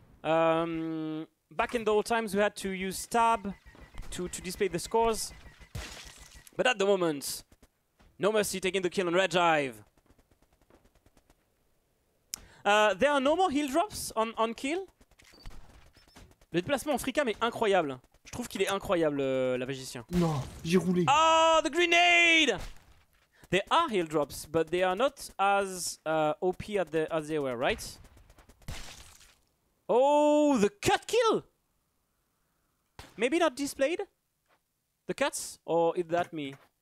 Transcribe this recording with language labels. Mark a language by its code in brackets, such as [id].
[en] Back in the old times, we had to use tab to display the scores. But at the moment, No Mercy taking the kill on Redjive. There are no more heal drops on kill. [fr] Le déplacement en Frika est incroyable. Je trouve qu'il est incroyable, la magicien. Non, j'ai roulé. [en] Oh, the grenade! There are heal drops, but they are not as OP as they were, right? Oh, the cut kill! Maybe not displayed? The cuts? Or is that me?